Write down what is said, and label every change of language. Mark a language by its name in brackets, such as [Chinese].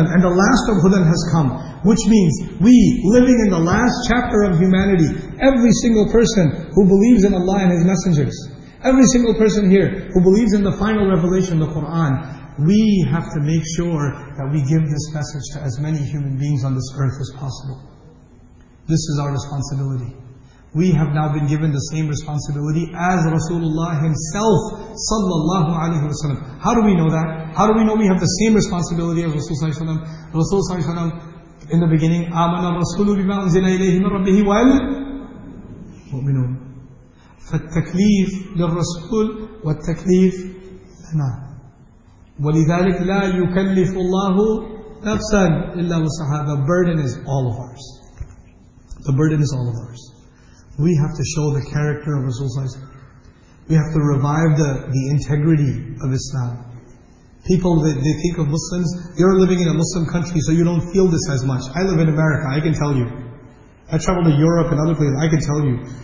[English] And the last of Hudan has come. Which means, we living in the last chapter of humanity, every single person who believes in Allah and His messengers, every single person here who believes in the final revelation, the Quran, we have to make sure that we give this message to as many human beings on this earth as possible. This is our responsibility. We have now been given the same responsibility as Rasulullah himself, sallallahu alaihi wasallam. How do we know that? How do we know we have the same responsibility as Rasulullah sallallahu alaihi wasallam? [Arabic] Rasulullah sallallahu alaihi wasallam, [English] in the beginning, [Arabic] آمَنَ الرَّسُولُ بِمَا أُنزِلَ إِلَيْهِ مِنْ رَبِّهِ وَالْمُؤْمِنُونَ. فالتكليف للرسول والتكليف لنا. ولذلك لا يكلف الله نفسا إلا وسعها. [English] The burden is all of ours. The burden is all of ours. We have to show the character of Rasulullah. We have to revive the integrity of Islam. People, they think of Muslims, you're living in a Muslim country, so you don't feel this as much. I live in America, I can tell you. I travel to Europe and other places, I can tell you.